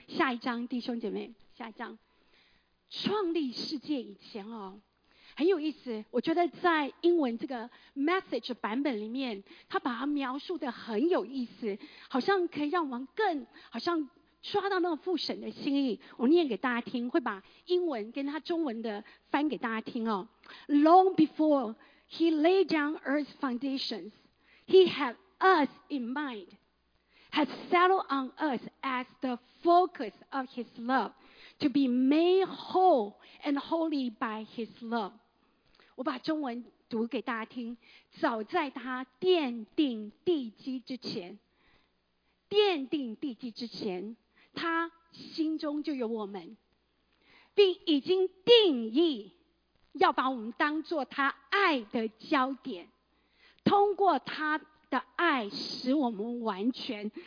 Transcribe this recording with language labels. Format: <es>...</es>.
<zh>下一章，弟兄姐妹，下一章。创立世界以前哦，很有意思。我觉得在英文这个 message 版本里面，他把它描述得很有意思，好像可以让我们更好像抓到那个父神的心意。我念给大家听，会把英文跟他中文的翻给大家听哦。</zh> <en>Long before he laid down earth's foundations, he had us in mind, had settled on us as the focus of his love, to be made whole and holy by his love.</en> <zh>我把中文读给大家听。早在他奠定地基之前，奠定地基之前，他心中就有我们，并已经定义要把我们当作他爱的焦点，通过他的爱使我们完全。</zh>